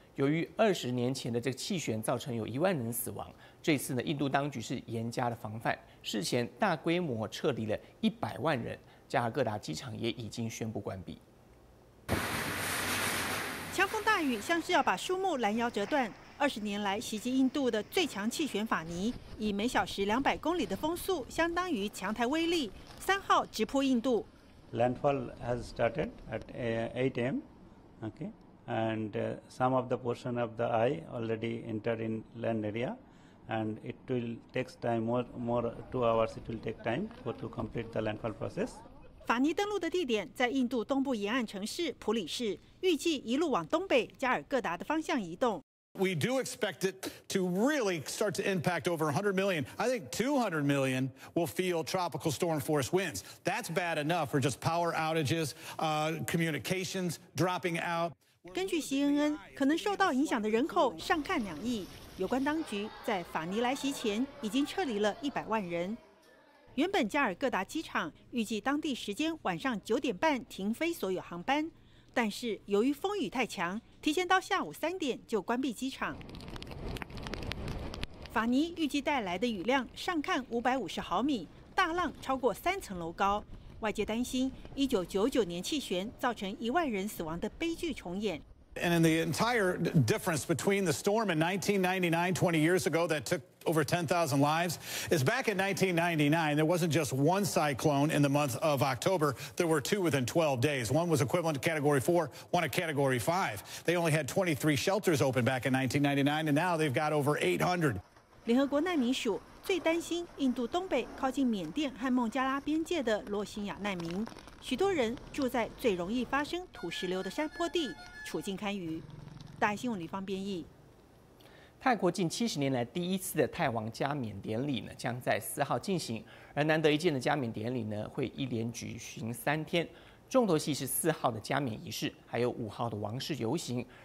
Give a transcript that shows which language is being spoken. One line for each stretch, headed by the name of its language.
Chinese: 由于20年前的这个气旋造成有10000人死亡，这次呢，印度当局是严加的防范，事前大规模撤离了100万人，加尔各答机场也已经宣布关闭。强风大雨像是要把树木拦腰折断。20年来袭击印度的最强气旋法尼，以每小时200公里的风速，相当于强台威力，3号直扑印度。
English: Landfall has started at 8 a.m. Okay, and some of the portion of the eye already entered in land area, and it will take time more 2 hours. It will take time for to complete the landfall process.
Chinese: 法尼登陆的地点在印度东部沿岸城市普里市，预计一路往东北加尔各答的方向移动。
English: We do expect it to really start to impact over 100 million. I think 200 million will feel tropical storm force winds. That's bad enough for just power outages, communications dropping out.
Chinese: 根据 CNN， 可能受到影响的人口上看2亿。有关当局在法尼来袭前已经撤离了100万人。原本加尔各答机场预计当地时间晚上9:30停飞所有航班，但是由于风雨太强，提前到下午3点就关闭机场。法尼预计带来的雨量上看550毫米，大浪超过3层楼高。外界担心1999年气旋造成10000人死亡的悲剧重演。
English: And in the entire difference between the storm in 1999, 20 years ago, that took over 10,000 lives, is back in 1999, there wasn't just one cyclone in the month of October. There were two within 12 days. One was equivalent to Category 4, one a Category 5. They only had 23 shelters open back in 1999, and now they've got over 800.
Chinese: 联合国难民署最担心印度东北靠近缅甸和孟加拉边界的罗兴亚难民，许多人住在最容易发生土石流的山坡地，处境堪虞。大爱新闻李芳编译。泰国近70年来第一次的泰王加冕典礼呢，将在4号进行，而难得一见的加冕典礼呢，会一连举行3天，重头戏是4号的加冕仪式，还有5号的王室游行。